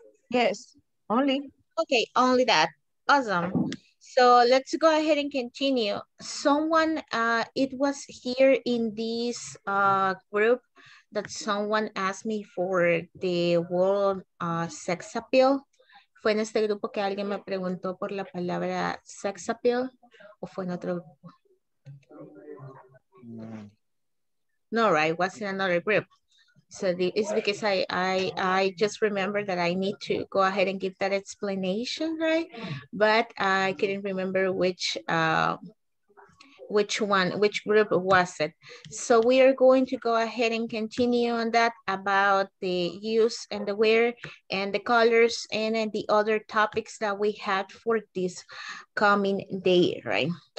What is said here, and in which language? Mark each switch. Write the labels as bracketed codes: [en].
[en] Yes, only. Okay, only that. Awesome. So let's go ahead and continue. Someone, it was here in this group that someone asked me for the word sex appeal. [es] Fue en este grupo que alguien me preguntó por la palabra sex appeal, o fue en otro grupo? [en] No, right, was in another group. So it's because I just remember that I need to go ahead and give that explanation, right? But I couldn't remember which group was it. So we are going to go ahead and continue on that about the use and the wear and the colors and the other topics that we had for this coming day, right?